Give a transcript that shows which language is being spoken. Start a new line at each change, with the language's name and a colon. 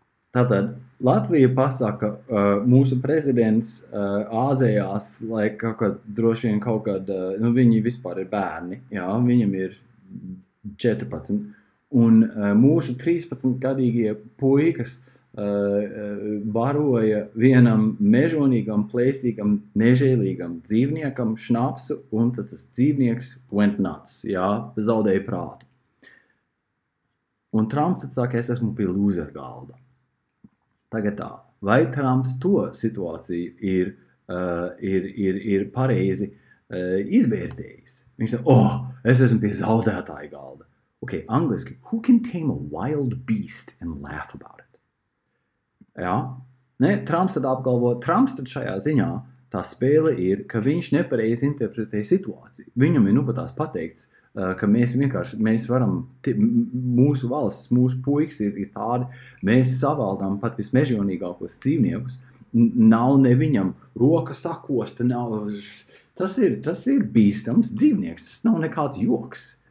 Latvian: Tātad, Latvija pasaka, mūsu prezidents āzējās, lai kaut kad, droši vien kaut kad, nu viņi vispār ir bērni, jā, viņam ir 14, un mūsu 13-gadīgie puikas baroja vienam mežonīgam, plēsīgam, nežēlīgam dzīvniekam šnapsu, un tad tas dzīvnieks
English: went nuts,
Latvian: jā, zaudēja prātu. Un Trumps atsaka, es esmu pie loser galda. Tagad tā, vai Trumps to situāciju ir pareizi izvērtējis? Viņš saka, oh, es esmu pie zaudētāja galda.
English: Ok, angliski, who can tame a wild beast and laugh about it?
Latvian: Jā, ne, Trumps tad apgalvo, Trumps tad šajā ziņā tā spēle ir, ka viņš nepareizi interpretē situāciju. Viņam ir nu pat tās pateikts, ka mēs vienkārši, mēs varam, mūsu valsts, mūsu puikas ir tādi, mēs savaldām pat vismežionīgākos dzīvniekus, nav ne viņam roka sakosta, nav, tas ir bīstams dzīvnieks, tas nav nekāds joks.